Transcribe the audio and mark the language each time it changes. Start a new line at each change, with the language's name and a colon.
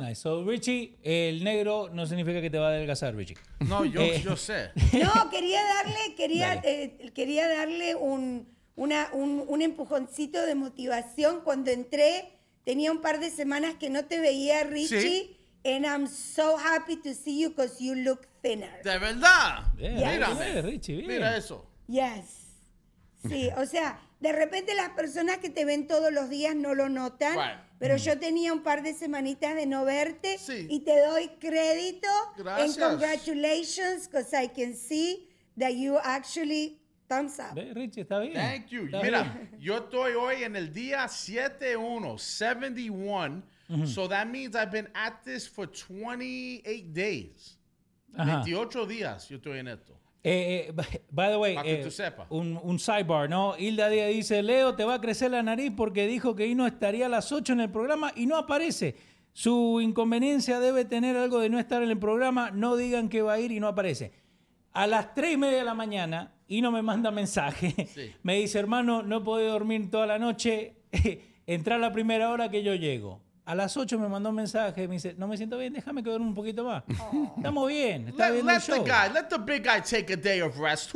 Spanish: Nice. So, Richie, el negro no significa que te va a adelgazar, Richie. No, yo sé. No, quería darle un empujoncito de motivación. Cuando entré, tenía un par de semanas que no te veía, Richie. ¿Sí?
English: And I'm so happy to see you because you look thinner.
Spanish: ¿De verdad? Yeah, mírame. Yeah, Richie, bien. Mira eso.
English: Yes.
Spanish: Sí, o sea, de repente las personas que te ven todos los días no lo notan, bueno, pero yo tenía un par de semanitas de no verte, sí, y te doy crédito. Gracias.
English: And congratulations, because I can see that you actually thumbs up.
Spanish: Ve, Richie, está bien.
English: Thank you.
Spanish: Está Mira, bien. Yo estoy hoy en el día 71,
English: so that means I've been at this for 28 days. Ajá.
Spanish: 28 días yo estoy en esto.
English: By the way,
Spanish: un sidebar,
English: ¿no?
Spanish: Hilda Díaz dice, Leo, te va a crecer la nariz porque dijo que Hino estaría a las 8 en el programa y no aparece. Su inconveniencia debe tener algo de no estar en el programa. No digan que va a ir y no aparece. A las 3:30 de la mañana, Hino me manda mensaje. Sí. Me dice, hermano, no he podido dormir toda la noche. Entra a la primera hora que yo llego. A las 8 me mandó un mensaje, me dice, no me siento bien, déjame que duerme un poquito más. Estamos bien, está bien.
English: Let the big guy take a day of rest.